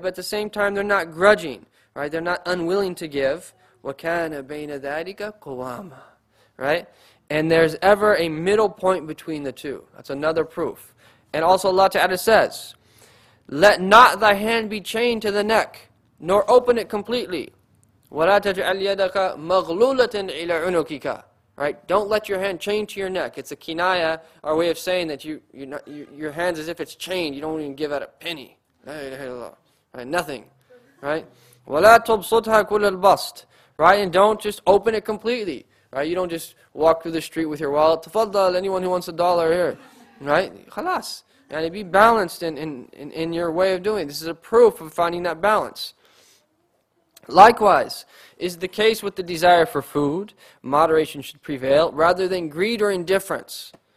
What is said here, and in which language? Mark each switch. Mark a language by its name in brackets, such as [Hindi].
[English] But at the same time, they're not grudging, right? They're not unwilling to give. [Arabic] وَكَانَ بَيْنَ ذَٰلِكَ قُوَامًا, [English] right? And there's ever a middle point between the two. That's another proof. And also Allah Ta'ala says, let not thy hand be chained to the neck, nor open it completely. [Arabic] وَلَا تَجْعَلْ يَدَكَ مَغْلُولَةً إِلَىٰ عُنُكِكَ, [English] right? Don't let your hand chain to your neck. It's a kinaya, our way of saying that your hand's as if it's chained. You don't even give out a penny. [Arabic] La ilaha illallah. [English] Right? Nothing. Right? [Arabic] وَلَا تُبْسُطْهَا كُلَ الْبَسْطِ, [English] right? And don't just open it completely. Right? You don't just walk through the street with your wallet. [Arabic] تَفَضَّلْ, [English] anyone who wants a dollar here. Right? خَلَاص. And be balanced in your way of doing. This is a proof of finding that balance. Likewise, is the case with the desire for food, moderation should prevail, rather than greed or indifference.